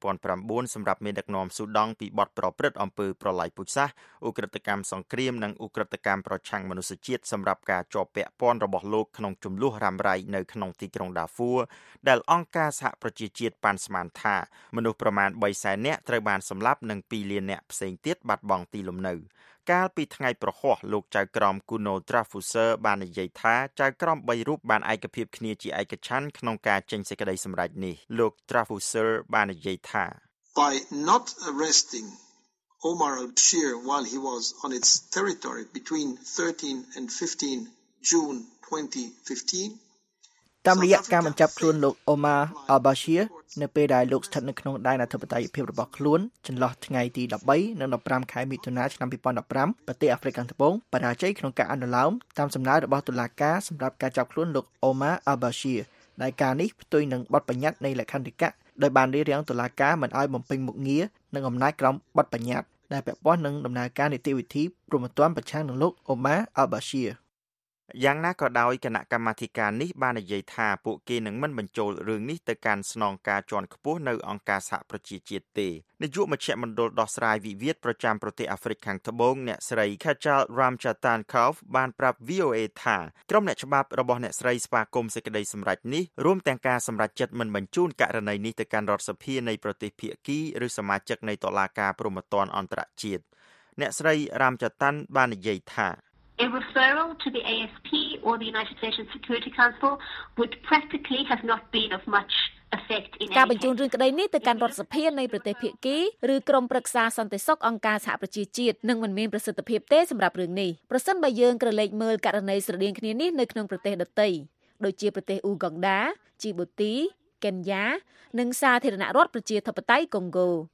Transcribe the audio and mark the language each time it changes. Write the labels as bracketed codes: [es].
[km] 2009សម្រាប់មេដឹកនាំស៊ូដង់ពីបទប្រព្រឹត្តអំពើប្រល័យពូជសាសន៍ឧក្រិដ្ឋកម្មសង្គ្រាមនិងឧក្រិដ្ឋកម្មប្រឆាំងមនុស្សជាតិសម្រាប់ការជាប់ពាក់ព័ន្ធរបស់លោកក្នុងជម្លោះរ៉ាំរ៉ៃនៅក្នុងទីក្រុងដាហ្វួរដែលអង្គការសហប្រជាជាតិបានស្មានថាមនុស្សប្រមាណ300,000នាក់ត្រូវបានសម្លាប់និង200,000នាក់ផ្សេងទៀតបាត់បង់ទីលំនៅ កាលពីថ្ងៃប្រហ័សលោកចៅក្រមគូណូត្រាហ្វូសឺបាននិយាយថាចៅក្រម3រូបបានឯកភាពគ្នាជាឯកច្ឆន្ទក្នុងការចេញសេចក្តីសម្រេចនេះលោកត្រាហ្វូសឺបាននិយាយថា [en] By not arresting Omar al-Bashir while he was on its territory between 13 and 15 June 2015 [km] តាមរយៈការបញ្ចាប់ខ្លួនលោក Omar al-Bashir នៅពេលដែលលោកស្ថិតនៅក្នុងដែនអធិបតេយ្យភាពរបស់ខ្លួនចន្លោះថ្ងៃទី13និង15ខែមិថុនាឆ្នាំ2015ប្រទេសអាហ្វ្រិកខាងត្បូងបានចេញក្នុងការអនុលោមតាមសំណើរបស់តុលាការសម្រាប់ការចាប់ខ្លួនលោក Omar al-Bashir ដែលការនេះផ្ទុយនឹងបទបញ្ញត្តិនៃលក្ខន្តិកៈដោយបានរៀបរៀងតុលាការមិនឲ្យបំពេញមុខងារនិងអំណាចក្រោមបទបញ្ញត្តិដែលពាក់ព័ន្ធនឹងដំណើរការនីតិវិធីព្រមទាំងប្រឆាំងនឹងលោក Omar al-Bashir យ៉ាងណាក៏ដោយគណៈកម្មាធិការនេះបាននិយាយថាពួកគេនឹងមិនបញ្ចូលរឿងនេះទៅកាន់ស្នងការជាន់ខ្ពស់នៅអង្គការសហប្រជាជាតិទេនាយកមជ្ឈមណ្ឌលដោះស្រាយវិវាទប្រចាំប្រទេសអាហ្វ្រិកខាងត្បូងអ្នកស្រី Khachal Ramchatankov បានប្រាប់ VOA ថាក្រុមអ្នកច្បាប់របស់អ្នកស្រីស្វាគមន៍សេចក្តីសម្រេចនេះរួមទាំងការសម្រេចចិត្តមិនបញ្ជូនករណីនេះទៅកាន់រដ្ឋសភានៃប្រទេសភាគីឬសមាជិកនៃតុលាការព្រហ្មទណ្ឌអន្តរជាតិអ្នកស្រី Ramchatan បាននិយាយថា [en] A referral to the ASP or the United Nations Security Council would practically have not been of much effect in any case. [km] ការបញ្ជូនរឿងក្តីនេះទៅកាន់រដ្ឋសភានៃប្រទេសភាគីឬក្រុមប្រឹក្សាសន្តិសុខអង្គការសហប្រជាជាតិនឹងមិនមានប្រសិទ្ធភាពទេសម្រាប់រឿងនេះប្រសិនបើយើងក្រឡេកមើលករណីស្រដៀងគ្នានេះនៅក្នុងប្រទេសដទៃដូចជាប្រទេសអ៊ូហ្គង់ដាជីបូទីកេនយ៉ានិងសាធារណរដ្ឋប្រជាធិបតេយ្យកុងហ្គោ